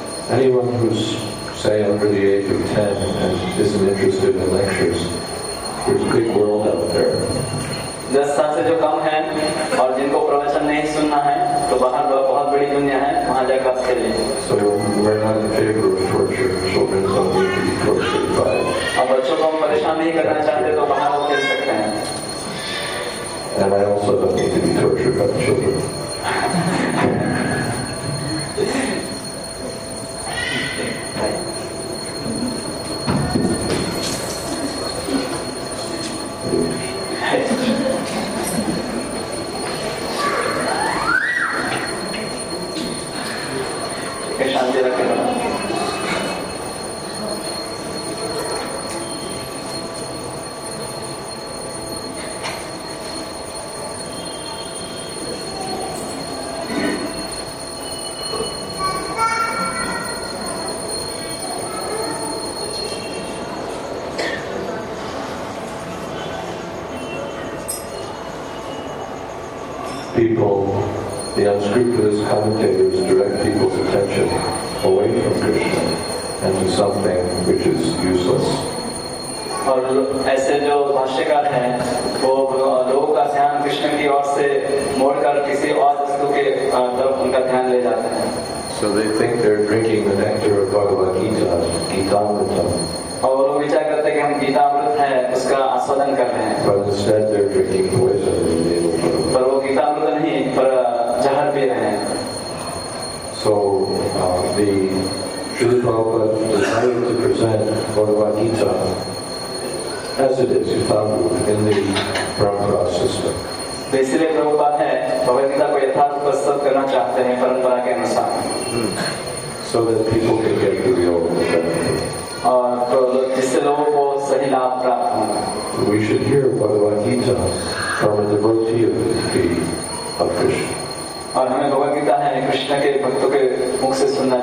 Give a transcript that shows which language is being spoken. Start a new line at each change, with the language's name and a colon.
English: Anyone who's, say, under the age of 10 and isn't interested in lectures, there's a big world out there.
Hindi: दस साल से जो कम हैं और जिनको प्रवचन नहीं सुनना है, तो बाहर बहुत बड़ी दुनिया है, वहाँ जाकर आप खेलें.
English: So we're not in favor of torture. Children don't need to be tortured by.
Hindi: अब बच्चों को हम परेशान नहीं करना चाहते, तो बाहर वो खेल सकते हैं.
English: And I also don't need to be tortured by children.
Hindi: शांति रखें.
English: people, the unscrupulous commentators direct people's attention away from Krishna and to something which is useless.
Hindi: और ऐसे जो भाष्यकार हैं, वो लोगों का ध्यान कृष्ण की ओर से मोड़कर किसी और वस्तु के तरफ उनका ध्यान ले जाते हैं।
English: So they think they're drinking the nectar of Bhagavad Gita, Gita Amritam.
Hindi: और वो लोग विचार करते हैं कि हम गीता अमृत है, उसका आस्वादन कर रहे हैं।
English: But instead they're drinking poison.
Hindi: पर वो गीता अमृत नहीं, पर जहर पी रहे हैं।
English: So the Srila Prabhupada decided to present Bhagavad Gita. As it is, found in the parampara system.
Hindi: इसलिए प्रभुपाद हैं भगवद गीता को यथार्थ प्रस्तुत करना चाहते हैं परंपरा के अनुसार।
English: So that people can get the real benefit.
Hindi: और तो जिससे लोगों को सही लाभ प्राप्त हो।
English: We should hear Bhagavad Gita from a devotee of the of Krishna.
Hindi: और हमें भगवद गीता है कृष्ण के भक्तों के मुख से सुनना